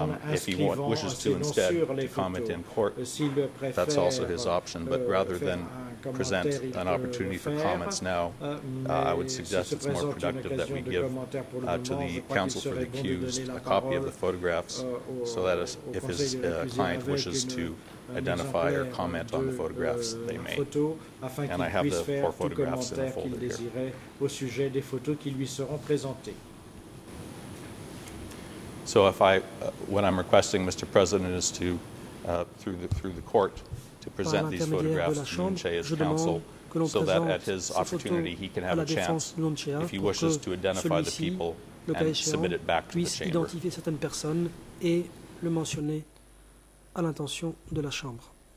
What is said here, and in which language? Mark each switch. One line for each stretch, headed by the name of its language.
English: If he wishes to instead to comment in court, that's also his option, but rather than present an opportunity for comments now, I would suggest it's more productive that we give to the counsel for the accused a copy of the photographs so that if his client wishes to identify or comment on the photographs that they made. And I have the four photographs in the folder here.
French: Au sujet des photos qui lui seront présentées.
English: So if I, what I'm requesting, Mr. President, is to, through the court, to present these photographs to Nunche as counsel, so that at his opportunity he can have a chance, if he wishes to identify the people and submit it back to the chamber.
French: Certaines personnes et le mentionner à l'intention de la chambre.